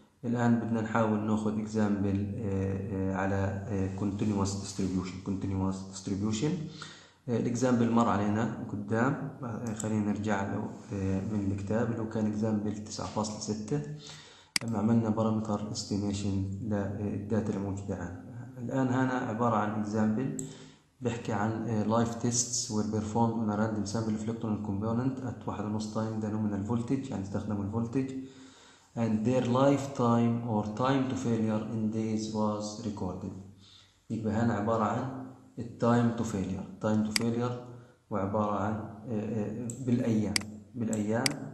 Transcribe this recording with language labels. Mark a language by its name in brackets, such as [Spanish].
[Arabic] الآن بدنا نحاول نأخذ إكزامبل على continuous distribution. continuous distribution الإكزامبل مر علينا قدام، خلينا نرجع له من الكتاب اللي هو كان إكزامبل 9.6 لما عملنا parameter estimation للداتا الموجودة عنا. الآن هنا عبارة عن إكزامبل بحكي عن [English] life tests were performed on a random sample of electronic component at 1.5 time the nominal voltage، [Arabic] يعني استخدموا الفولتج، [English] and their lifetime or time to failure in days was recorded. [Arabic] يبقى هنا عبارة عن time to failure. time to failure وعبارة عن بالأيام. بالأيام.